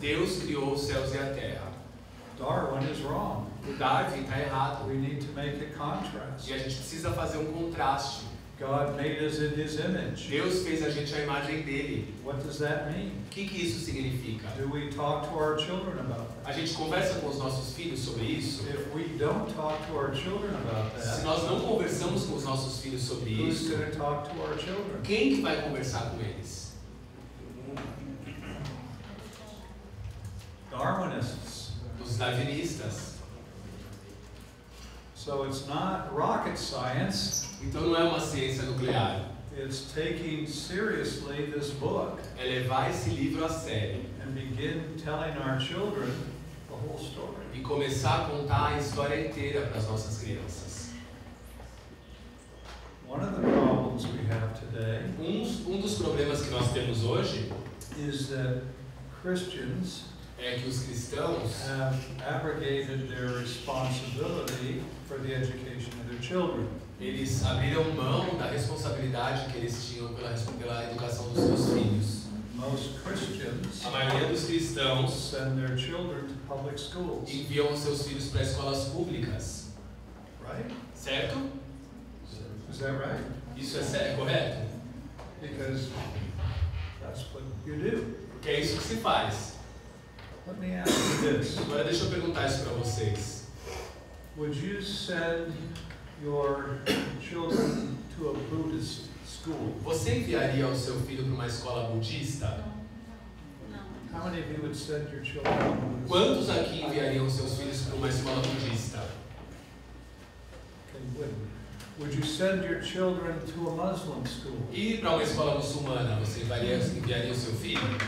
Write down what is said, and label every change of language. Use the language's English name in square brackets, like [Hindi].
[Portuguese] Deus criou os céus e a terra. [English] Darwin is wrong. [Portuguese] O Darwin está errado. [English] We need to make a contrast. [Portuguese] E a gente precisa fazer um contraste. [English] God made us in His image. [Portuguese] Deus fez a gente a imagem dele. [English] What does that mean? [Portuguese] O que que isso significa? [English] Do we talk to our children about that? [Portuguese] A gente conversa com os nossos filhos sobre isso? [English] If we don't talk to our children about that, [Portuguese] se nós não conversamos com os nossos filhos sobre [English] who's [Portuguese] isso, [English] gonna talk to our children? [Portuguese] Quem que vai conversar com eles? [English] Darwinists. [Portuguese] Os darwinistas. [English] So it's not rocket science. [Portuguese] Então não é uma ciência nuclear. [English] is taking seriously this book. [Portuguese] É levar esse livro a sério. [English] And begin telling our children the whole story. [Portuguese] E começar a contar a história inteira para as nossas crianças. [English] One of the problems we have today. [Portuguese] Um dos problemas que nós temos hoje. [English] Is that Christians. [Portuguese] É que os cristãos [English] have abrogated their responsibility for the education of their children. [Portuguese] Eles abriram mão da responsabilidade que eles tinham pela educação dos seus filhos. [English] Most Christians, [Portuguese] a maioria dos cristãos, [English] send their children to public schools. [Portuguese] Enviam os seus filhos para escolas públicas. [English] Right? [Portuguese] Certo? [English] Is that right? [Portuguese] Isso é certo, correto? [English] Because that's what you do. [Portuguese] Porque é isso que se faz. [English] Let me ask you this. [Portuguese] Agora deixa eu perguntar isso para vocês. [English] Would you send your children to a Buddhist school? [Portuguese] Você enviaria o seu filho para uma escola budista? Não. [English] How many of you would send your children to a Buddhist school? [Portuguese] Quantos aqui enviariam seus filhos para uma escola budista? [English] Okay, would you send your children to a Muslim school? [Portuguese] E para uma escola muçulmana, você enviaria o seu filho?